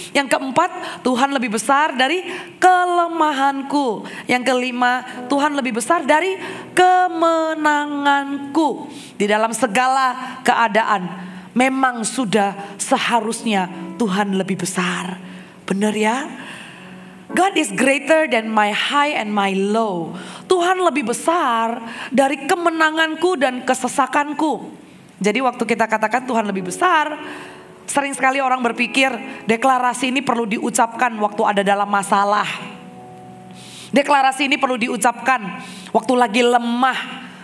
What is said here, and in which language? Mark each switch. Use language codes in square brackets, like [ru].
[id] Yang keempat, Tuhan lebih besar dari kelemahanku. Yang kelima, Tuhan lebih besar dari kemenanganku di dalam segala keadaan. Memang sudah seharusnya Tuhan lebih besar. Benar ya? [en] God is greater than my high and my low. [id] Tuhan lebih besar dari kemenanganku dan kesesakanku. Jadi waktu kita katakan Tuhan lebih besar, sering sekali orang berpikir deklarasi ini perlu diucapkan waktu ada dalam masalah. Deklarasi ini perlu diucapkan waktu lagi lemah.